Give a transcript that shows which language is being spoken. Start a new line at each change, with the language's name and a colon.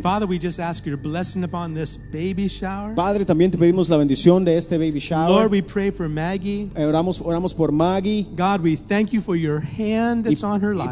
English: Father, we just ask your blessing upon this baby shower.
Spanish: Padre, también te pedimos la bendición de este baby shower.
English: Lord, we pray for Maggie.
Spanish: Oramos por Maggie.
English: God, we thank you for your hand that's on her life.